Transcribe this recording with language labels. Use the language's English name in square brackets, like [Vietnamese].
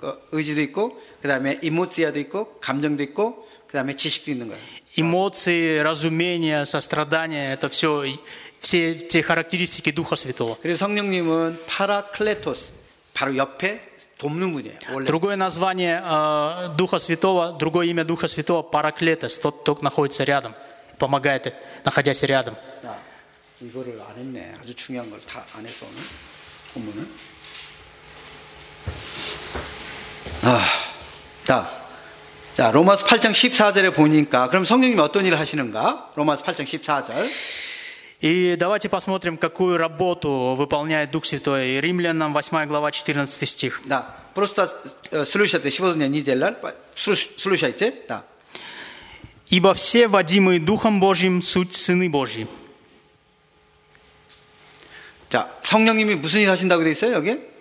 [Korean] 의지도 있고, 그다음에 이모티아도 있고, 감정도 있고, 그다음에 지식도 있는 거예요. [Russian] Эмоции, разумение, сострадание – это все, все те характеристики Духа Святого. [Korean] 그리고 성령님은 파라클레토스, 바로 옆에 돕는 분이에요. 원래. [Russian] Другое название Духа Святого, другое имя Духа Святого – Параклетос, тот, кто находится рядом, помогает, находясь рядом. [Korean] 아, 이거를 안 했네. 아주 중요한 걸 다 안 했어, 오늘 본문은. 아, 자. 자, 로마서 8장 14절에 보니까 그럼 성령님이 어떤 일을 하시는가? 로마서 8장 14절. [Russian] И давайте посмотрим, какую работу выполняет Дух Святой. Римлянам 8 глава 14 стих. Да. Просто слушайте, [Korean] 15절 2절날 [Russian] слушайте. Да. Ибо все водимые Духом Божьим суть сыны Божьи. [Korean] 자, 성령님이 무슨 일을 하신다고 돼 있어요, 여기?